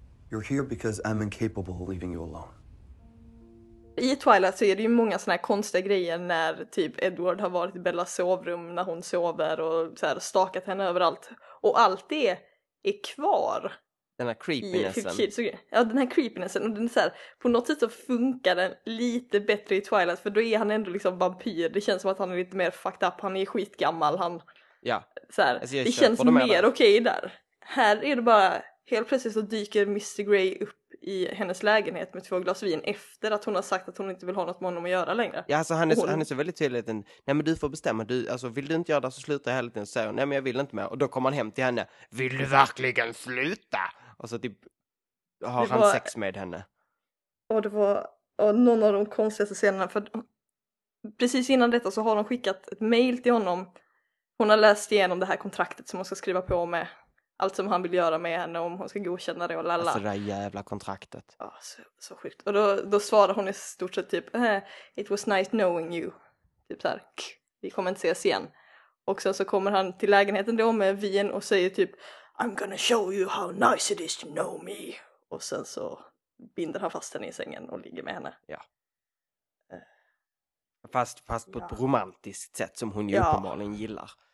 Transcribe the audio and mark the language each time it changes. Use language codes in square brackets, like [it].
[en] You're here because I'm incapable of leaving you alone. [sv] I Twilight så är det ju många såna här konstiga grejer när typ Edward har varit i Bellas sovrum när hon sover och så här stalkat henne överallt. Och allt det är kvar. Den här creepinessen. Ja, den här creepinessen. Och den är så här, på något sätt så funkar den lite bättre i Twilight, för då är han ändå liksom vampyr. Det känns som att han är lite mer fucked up. Han är skitgammal. Han, ja. Så här, alltså, det känns mer okej där. Här är det bara, helt plötsligt så dyker Mr. Grey upp i hennes lägenhet med två glas vin efter att hon har sagt att hon inte vill ha något med honom att göra längre. Ja, alltså han är så väldigt tydlig. Nej, men du får bestämma. Du, alltså, vill du inte göra det så slutar jag hela tiden. Så säger hon, nej men jag vill inte mer. Och då kommer han hem till henne. Vill du verkligen sluta? Och så typ har han sex med henne. Och det var någon av de konstigaste scenerna. För precis innan detta så har hon skickat ett mail till honom. Hon har läst igenom det här kontraktet som hon ska skriva på med. Allt som han vill göra med henne, om hon ska godkänna det och lalla. Alltså det där jävla kontraktet. Ja, så sjukt. Och då svarar hon i stort sett typ, [en] it was nice knowing you. [sv] Typ så här, vi kommer inte ses igen. Och sen så kommer han till lägenheten då med vin och säger typ, [en] I'm gonna show you how nice it is to know me. [sv] Och sen så binder han fast henne i sängen och ligger med henne. Ja. Fast på ett romantiskt sätt som hon ju uppenbarligen gillar.